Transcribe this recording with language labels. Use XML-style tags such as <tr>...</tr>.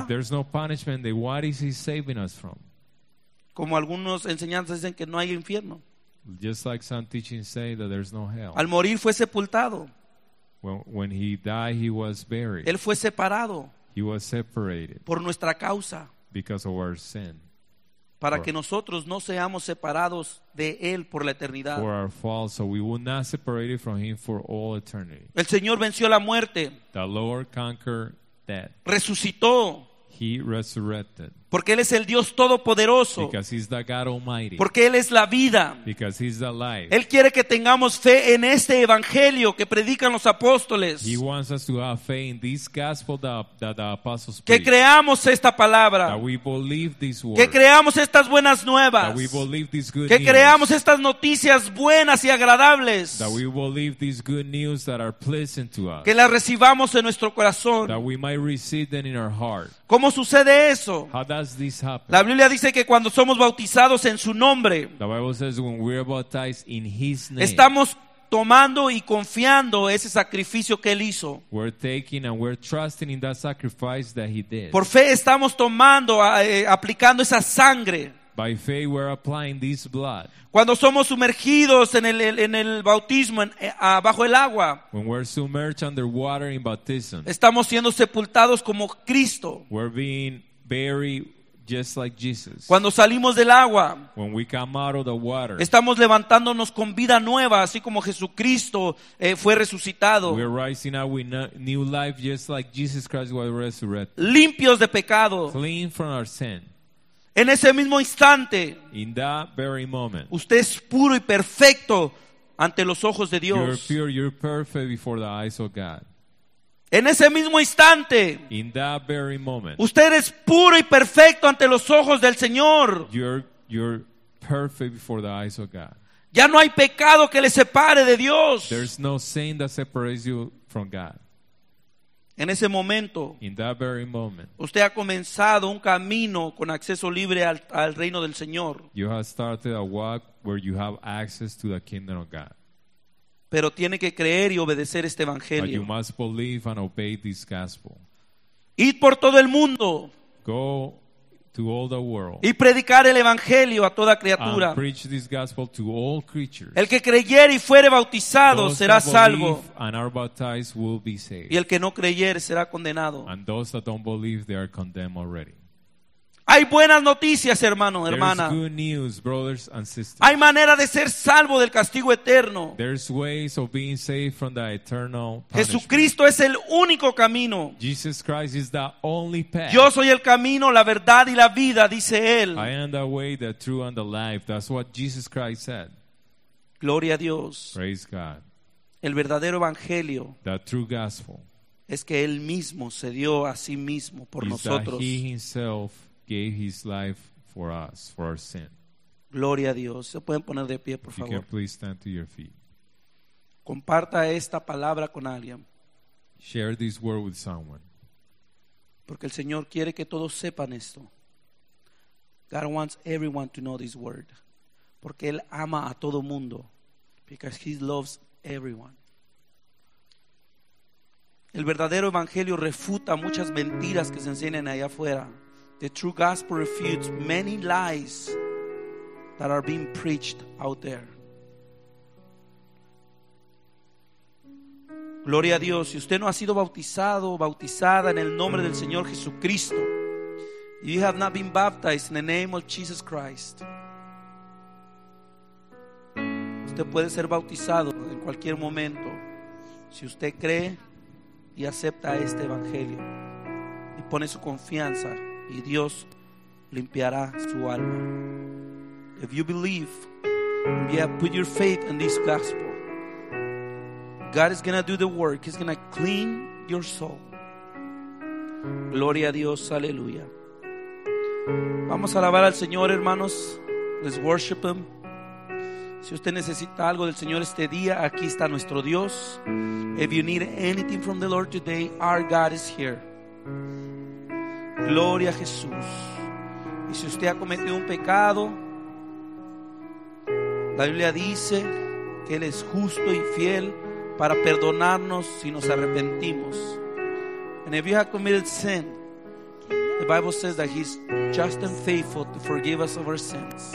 <en>If there's no punishment, then what is he saving us from?</en> <es>Como algunos enseñanzas dicen que no hay infierno.</es> <en>Just like some teachings say that there's no hell.</en> <es>Al morir fue sepultado.</es> <en>When he died, he was buried.</en> <es>Él fue separado.</es> <en>He was separated.</en> <es>Por nuestra causa.</es> <en>Because of our sin.</en> <es>Para que nosotros no seamos separados de él por la eternidad.</es> <en>For our fall, so we will not separated from him for all eternity.</en> <es>El Señor venció la muerte.</es> <en>The Lord conquered death.</en> <es>Resucitó.</es> <en>He resurrected.</en> <es>Porque él es el Dios todopoderoso.</es> <en>Because he's the God Almighty.</en> <es>Porque él es la vida.</es> <en>Because he's the life.</en> <es>Él quiere que tengamos fe en este evangelio que predican los apóstoles.</es> <en>He wants us to have faith in this gospel that the apostles preach.</en> <es>Que creamos esta palabra.</es> <en>That we believe this word.</en> <es>Que creamos estas buenas nuevas.</es> <en>That we believe this good news.</en> <es>Que creamos estas noticias buenas y agradables.</es> <en>That we believe this good news that are pleasant to us.</en> <es>Que las recibamos en nuestro corazón.</es> <en>That we might receive them in our heart.</en> <es>¿Cómo sucede eso?</es> <en>How does this happen?</en> <es>La Biblia dice que cuando somos bautizados en su nombre,</es> <en>the Bible says when we are baptized in his name,</en> <es>estamos tomando y confiando ese sacrificio que él hizo.</es> <en>We're taking and we're trusting in that sacrifice that he did.</en> <es>Por fe estamos tomando, aplicando esa sangre.</es> <en>By faith we're applying this blood.</en> <es>Cuando somos sumergidos en el bautismo bajo el agua,</es> <en>when we're submerged under water in baptism,</en> <es>estamos siendo sepultados como Cristo.</es> <en>We're being buried just like Jesus.</en> <es>Cuando salimos del agua,</es> <en>when we come out of the water,</en> <es>estamos levantándonos con vida nueva, así como Jesucristo fue resucitado.</es> <en>We're rising out with new life just like Jesus Christ was resurrected.</en> <es>Limpios de pecado.</es> <en>Clean from our sin.</en> <es>En ese mismo instante,</es> <en>in that very moment,</en> <es>usted es puro y perfecto ante los ojos de Dios.</es> <en>You're pure, you're perfect before the eyes of God.</en> <es>En ese mismo instante,</es> <en>in that very moment,</en> <es>usted es puro y perfecto ante los ojos del Señor.</es> <en>You're perfect before the eyes of God.</en> <es>Ya no hay pecado que le separe de Dios.</es> <en>There's no sin that separates you from God.</en> <es>En ese momento,</es> <en>in that very moment,</en> <es>usted ha comenzado un camino con acceso libre al reino del Señor.</es> <en>You have started a walk where you have access to the kingdom of God.</en> <es>Pero tiene que creer y obedecer este evangelio.</es> <en>But you must believe and obey this gospel.</en> <es>Ir por todo el mundo.</es> <en>Go to all the world.</en> <es>Y predicar el evangelio a toda criatura.</es> <en>And preach this gospel to all creatures.</en> <es>El que creyere y fuere bautizado</es> <en>those</en> <es>será salvo.</es> <en>And are baptized will be saved.</en> <es>Y el que no creyere será condenado.</es> <en>And those that don't believe, they are condemned already.</en> <es>Hay buenas noticias, hermano, hermana.</es> <en>There's good news, brothers and sisters.</en> <es>Hay manera de ser salvo del castigo eterno.</es> <en>There's ways of being saved from the eternal punishment.</en> <es>Jesucristo es el único camino.</es> <en>Jesus Christ is the only path.</en> <es>Yo soy el camino, la verdad y la vida, dice él.</es> <en>I am the way, the truth, and the life. That's what Jesus Christ said.</en> <es>Gloria a Dios.</es> <en>Praise God.</en> <es>El verdadero evangelio.</es> <en>The true gospel.</en> <es>Es que él mismo se dio a sí mismo por nosotros.</es> <en>He himself gave his life for us, for our sin.</en> <es>Gloria a Dios. Se pueden poner de pie, por</es> <en>if</en> <es>favor.</es> <en>You can please stand to your feet.</en> <es>Comparta esta palabra con alguien.</es> <en>Share this word with someone.</en> <es>Porque el Señor quiere que todos sepan esto.</es> <en>God wants everyone to know this word.</en> <es>Porque él ama a todo mundo.</es> <en>Because he loves everyone.</en> <es>El verdadero evangelio refuta muchas mentiras que se enseñan allá afuera.</es> <en>The true gospel refutes many lies that are being preached out there.</en> <es>Gloria a Dios. Si usted no ha sido bautizado o bautizada en el nombre del Señor Jesucristo,</es> <en>you have not been baptized in the name of Jesus Christ,</en> <es>usted puede ser bautizado en cualquier momento si usted cree y acepta este evangelio y pone su confianza, y Dios limpiará su alma.</es> <en>If you believe, yeah, put your faith in this gospel, God is going to do the work. He's going to clean your soul.</en> <es>Gloria a Dios, aleluya. Vamos a alabar al Señor, hermanos.</es> <en>Let's worship Him.</en> <es>Si usted necesita algo del Señor este día, aquí está nuestro Dios.</es> <en>If you need anything from the Lord today, our God is here.</en> <es>Gloria a Jesús. Y si usted ha cometido un pecado, la Biblia dice que Él es justo y fiel para perdonarnos si nos arrepentimos.</es> <en>And if you have committed sin, the Bible says that He's just and faithful to forgive us of our sins.</en>